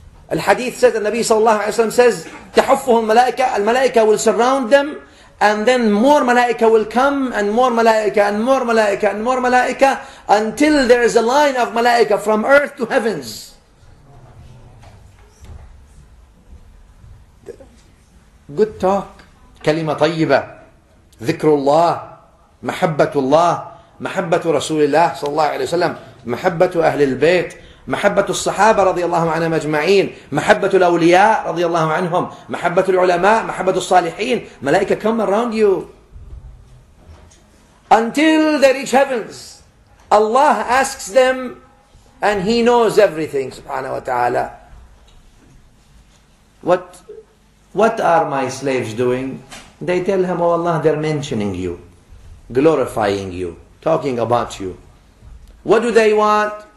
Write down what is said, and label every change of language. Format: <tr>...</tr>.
<ar>الحديث</ar> <en>says that</en> <ar>النبي صلى الله عليه وسلم says تحفهم ملائكة. الملائكة</ar> <en>will surround them. And then more malaika will come, and more malaika, and more malaika, and more malaika, until there is a line of malaika from earth to heavens. Good talk.</en> <ar>كلمة طيبة. ذكر الله. محبة الله. محبة رسول الله صلى الله عليه وسلم. محبة أهل البيت. محبة الصحابة رضي الله عنهم أجمعين، محبة الأولياء رضي الله عنهم، محبة العلماء، محبة الصالحين، ملائكة</ar> <en>come around you. Until they reach heavens, Allah asks them and He knows everything,</en> <ar>سبحانه وتعالى.</ar> <en>What are my slaves doing? They tell him, oh Allah, they're mentioning you, glorifying you, talking about you. What do they want?</en>